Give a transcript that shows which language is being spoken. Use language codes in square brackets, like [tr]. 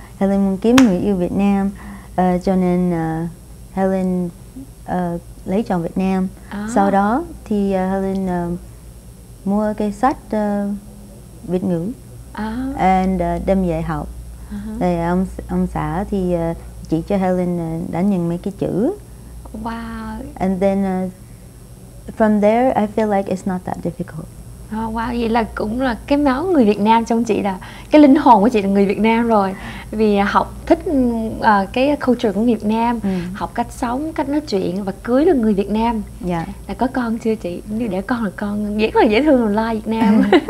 [vi] Helen muốn kiếm người yêu Việt Nam, cho nên Helen lấy chồng Việt Nam. Oh. Sau đó thì Helen mua cái sách Việt ngữ. Oh. And đem về học. Uh-huh. Đây, ông xã thì chỉ cho Helen đánh nhận mấy cái chữ. Wow. [en] And then from there I feel like it's not that difficult. [vi] Oh, wow, vậy là cũng là cái máu người Việt Nam trong chị, là cái linh hồn của chị là người Việt Nam rồi. Vì học thích cái culture của người Việt Nam, học cách sống, cách nói chuyện và cưới được người Việt Nam. Dạ. Là có con chưa chị? Như đẻ con là con rất là dễ thương, là Lai Việt Nam.